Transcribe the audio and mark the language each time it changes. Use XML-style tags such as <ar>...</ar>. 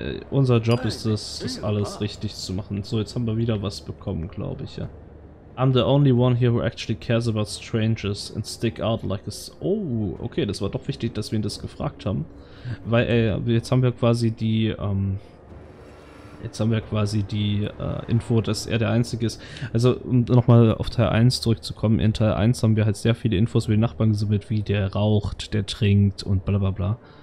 <de>Unser Job ist es, das alles richtig zu machen. So, jetzt haben wir wieder was bekommen, glaube ich, ja.</de> <en>I'm the only one here who actually cares about strangers and stick out like a...</en> <de>Oh, okay, das war doch wichtig, dass wir ihn das gefragt haben. Weil, jetzt haben wir quasi die, Info, dass er der Einzige ist. Also, um nochmal auf Teil 1 zurückzukommen, in Teil 1 haben wir halt sehr viele Infos über den Nachbarn gesammelt, wie der raucht, der trinkt und bla bla bla.</de>